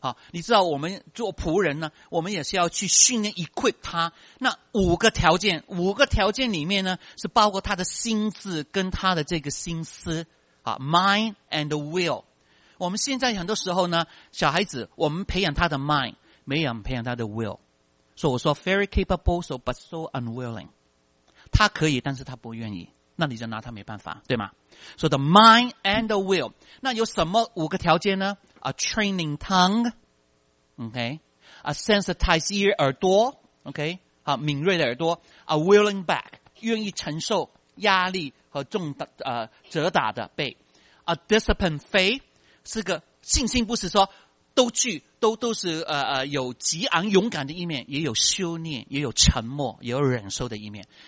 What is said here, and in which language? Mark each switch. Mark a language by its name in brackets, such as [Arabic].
[Chinese] 你知道我们做仆人呢，我们也是要去训练 equip 他。那五个条件里面呢，是包括他的心智跟他的这个心思啊 ， mind and will。我们现在很多时候呢，小孩子我们培养他的 mind， 没有培养他的 will。 [English] 所以我说 very capable， so but so unwilling。 [Chinese] 他可以，但是他不愿意，那你就拿他没办法，对吗？所以 the mind and the will，那有什么五个条件呢？ [English] A training tongue, okay. A sensitized ear, 耳朵, okay. [Chinese] 好，敏锐的耳朵。 A willing back, 愿意承受压力和重打折打的背。 A disciplined faith, 是个信心，不是说都是有极昂勇敢的一面，也有修炼，也有沉默，也有忍受的一面。